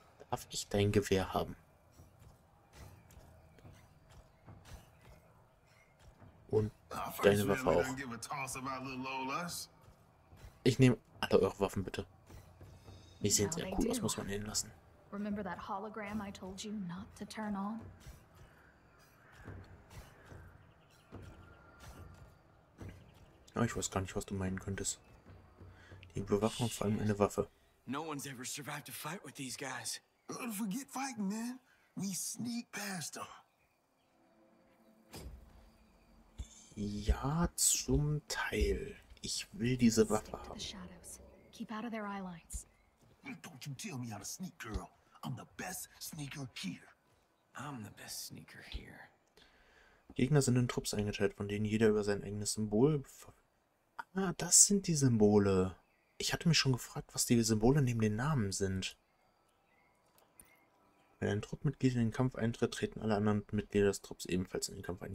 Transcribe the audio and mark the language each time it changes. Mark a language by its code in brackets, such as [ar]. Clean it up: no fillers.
[de] Darf ich dein Gewehr haben? Und deine Waffe auch. Ich nehme alle eure Waffen, bitte. Die sehen sehr cool aus, muss man nennen lassen. [en] Remember that hologram I told you not to turn on? [de] Oh, ich weiß gar nicht, was du meinen könntest. Die Bewaffnung, vor allem eine Waffe. [en] No one's ever survived a fight with these guys. Forget fighting, man. We sneak past them. [de] Ja, zum Teil. Ich will diese Waffe haben. [en] Keep out of their eyelines. Don't you tell me how to sneak, girl. I'm the best sneaker here. I'm the best sneaker here. [de] Gegner sind in Trupps eingeteilt, von denen jeder über sein eigenes Symbol. Ah, das sind die Symbole. Ich hatte mich schon gefragt, was die Symbole neben den Namen sind. Wenn ein Truppmitglied in den Kampf eintritt, treten alle anderen Mitglieder des Trupps ebenfalls in den Kampf ein.